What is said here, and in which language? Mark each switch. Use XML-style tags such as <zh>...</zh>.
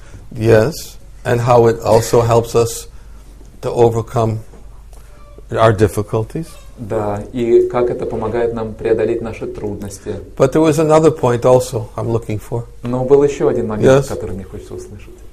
<en>Yes, and how it also helps us to overcome our difficulties.</en> <ru>Да, и как это помогает нам преодолеть наши трудности.</ru> <en>But there was another point also I'm looking for.</en> <ru>Но был еще один момент,</ru> <en>yes.</en> <ru>Который мне хочется услышать.</ru>